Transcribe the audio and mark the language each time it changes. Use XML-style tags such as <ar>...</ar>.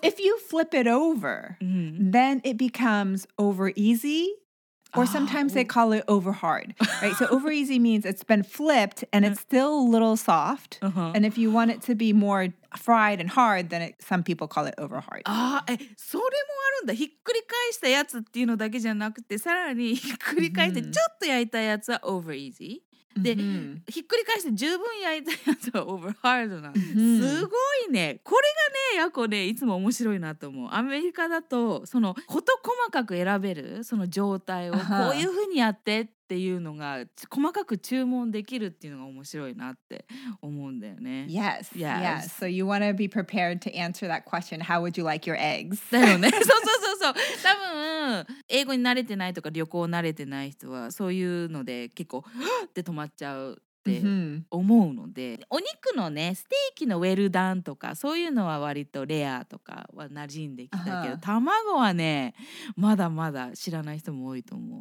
<en>if you flip it over, then it becomes over easy... Or sometimes they call it over hard, right? So over easy means it's been flipped and it's still a little soft. Uh-huh. And if you want it to be more fried and hard, then some people call it over hard.</en> <ja>Ah, それもあるんだ。ひっくり返したやつっていうのだけじゃなくて、さらにひっくり返してちょっと焼いたやつは over easy。で、ひっくり返して十分焼いたやつは over hard なんです。すごいね。これがね、やこね、いつも面白いなと思う。アメリカだと、その、こと細かく選べる、その状態を、こういうふうにやってっていうのが、細かく注文できるっていうのが面白いなって思うんだよね。</ja> <en>Yes, yes. Yes. So you want to be prepared to answer that question, how would you like your eggs?</en> <ja>だよね。そうそうそうそう。多分、英語に慣れてないとか旅行慣れてない人はそういうので結構って止まっちゃうっって思うので、うん、お肉のねステーキのウェルダンとかそういうのは割とレアとかは馴染んできたけど、卵はねまだまだ知らない人も多いと思う、</ja>